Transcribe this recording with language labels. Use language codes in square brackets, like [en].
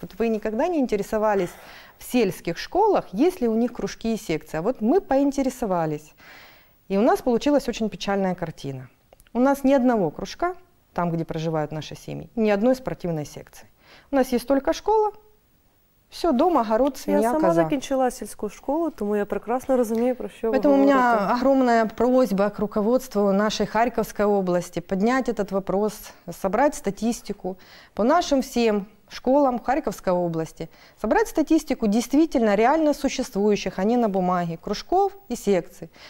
[ru] Вот вы никогда не интересовались в сельских школах, есть ли у них кружки и секции? А вот мы поинтересовались, и у нас получилась очень печальная картина. У нас ни одного кружка, там, где проживают наши семьи, ни одной спортивной секции. У нас есть только школа, Все, дома огород, свинья, коза. [uk] Я сама закінчила сільську школу, тому я прекрасно розумію, про що ви говорите. [ru] Поэтому у меня огромная просьба к руководству нашей Харьковской области поднять этот вопрос, собрать статистику по нашим всем школам Харьковской области, собрать статистику действительно реально существующих, а не на бумаге, кружков и секций.